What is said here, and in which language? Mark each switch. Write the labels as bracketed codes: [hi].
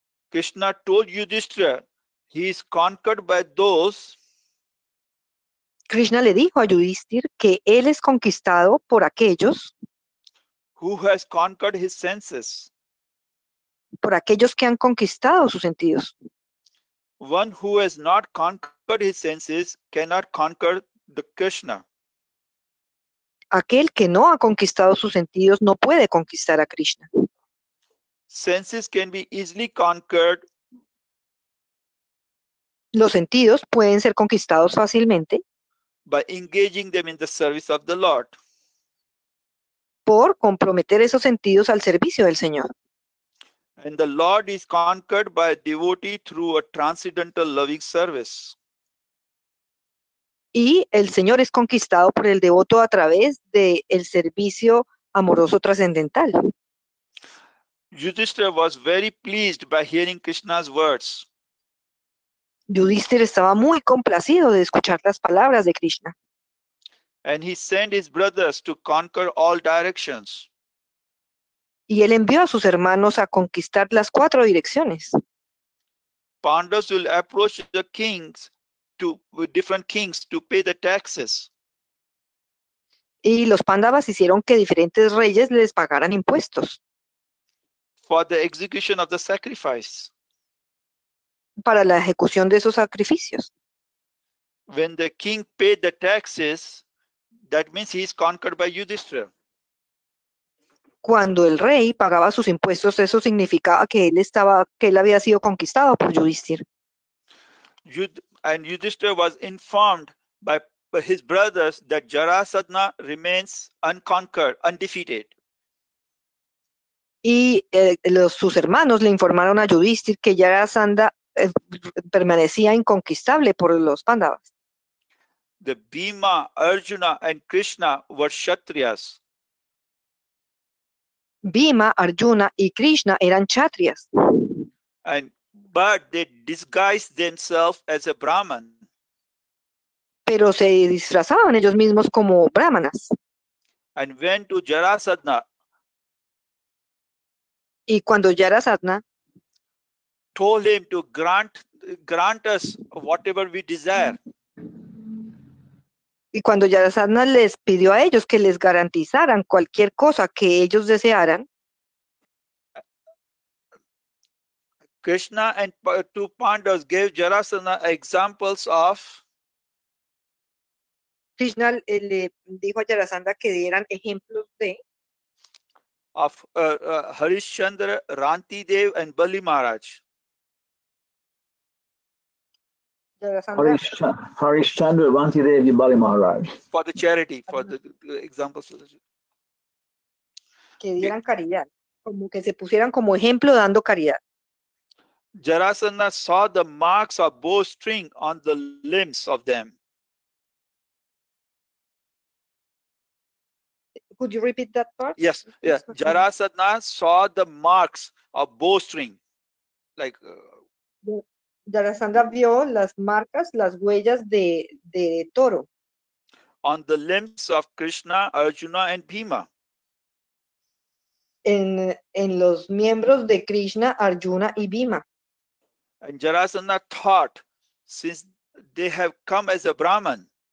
[en] Krishna told Yudhishthira, he is conquered by those. [es] Krishna le dijo a Yudhishthira que él es conquistado por aquellos. [en] who has conquered his senses. [es] Por aquellos que han conquistado sus sentidos. [en] One who has not conquered his senses cannot conquer the Krishna. [es] Aquel que no ha conquistado sus sentidos no puede conquistar a Krishna. [en] Senses can be easily conquered. [es] Los sentidos pueden ser conquistados fácilmente. [en] By engaging them in the service of the Lord. [es] Por comprometer esos sentidos al servicio del Señor. [en] And the Lord is conquered by a devotee through a transcendental loving service. [es] Y el Señor es conquistado por el devoto a través de el servicio amoroso trascendental. [en] Yudhishthira was very pleased by hearing Krishna's words. [es] Yudhishthira estaba muy complacido de escuchar las palabras de Krishna. [en] And he sent his brothers to conquer all directions. [es] Y él envió a sus hermanos a conquistar las cuatro direcciones. [en] Pandavas will approach the kings to with different kings to pay the taxes. [es] Y los Pandavas hicieron que diferentes reyes les pagaran impuestos. [en] For the execution of the sacrifice. [es] Para la ejecución de esos sacrificios. [en] When the king paid the taxes, that means he is conquered by Yudhishthira. [es] Cuando el rey pagaba sus impuestos, eso significaba que él había sido conquistado por Yudhishthira. [en] And Yudhishthira was informed by his brothers that Jarasandha remains unconquered, undefeated. [es] Y sus hermanos le informaron a Yudhishthira que Jarasandha permanecía inconquistable por los Pandavas. [en] The Bhima, Arjuna and Krishna were Kshatriyas. [es] Bhima, Arjuna y Krishna eran kshatriyas. [en] But they disguised themselves as a Brahman. [es] Pero se disfrazaban ellos mismos como brahmanas. [en] And went to Jarasandha. [es] Y cuando Jarasandha [en] told him to grant us whatever we desire. [es] Y cuando Jarasandha les pidió a ellos que les garantizaran cualquier cosa que ellos desearan, [en] Krishna and two Pandavas gave Jarasandha examples of. [es] Krishna le dijo a Jarasandha que dieran ejemplos de. [en] Of Harishchandra, Ranti Dev, and Bali Maharaj. Harishchandra, Ranti Dev, and Bali Maharaj. For the charity, for the examples. [es] Que dieran caridad, como que se pusieran como ejemplo dando caridad. [en] Jarasandha saw the marks of bowstring on the limbs of them. Could you repeat that part? Yes. Yeah. Jarasandha saw the marks of bowstring, like. [es] Jarasandha vio las marcas, las huellas de toro. [en] On the limbs of Krishna, Arjuna, and Bhima. [es] En los miembros de Krishna, Arjuna y Bhima. [en] And Jarasandha thought, since they have come as a Brahman.